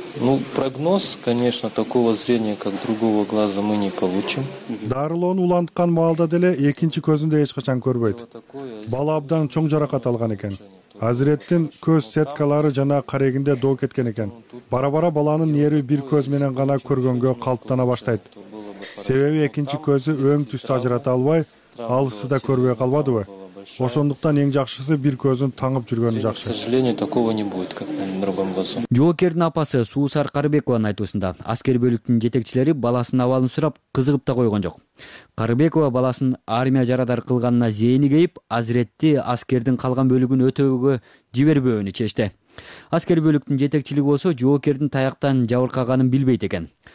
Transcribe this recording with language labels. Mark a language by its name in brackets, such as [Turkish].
[Russian] Ну, прогноз, конечно, такого зрения, как другого глаза, мы не получим. [Kyrgyz] Дарылоону уланткан маалда деле экинчи көзүн да эч качан көрбөйт. Бала абдан чоң жаракат алган экен. Азиреттин көз сеткалары жана карегинде доо кеткен экен. Бара-бара баланын нерви бир көз менен гана көргөнгө калыптана баштайт. Себеби экинчи көзү өң түстө ажырата албай, алысы да көрбөй калбадыбы? Ошондуктан эң жакшысы бир көзүн таңып жүргөнү жакшы. [Russian] К сожалению, такого не будет, как на другом глазу. [Kyrgyz] Жоокердин апасы Суусар Карыбекованын айтуусунда аскер бөлүктүн жетекчилери баласынын абалын сурап кызыгып да койгон жок. Карыбекова баласын армия жарадар кылганына зээни кейип, азиретти аскердин калган бөлүгүн өтөөгө жибербөөнү чечти. Аскер бөлүктүн жетекчилиги болсо жоокердин таяктан жабыркаганын билбейт экен.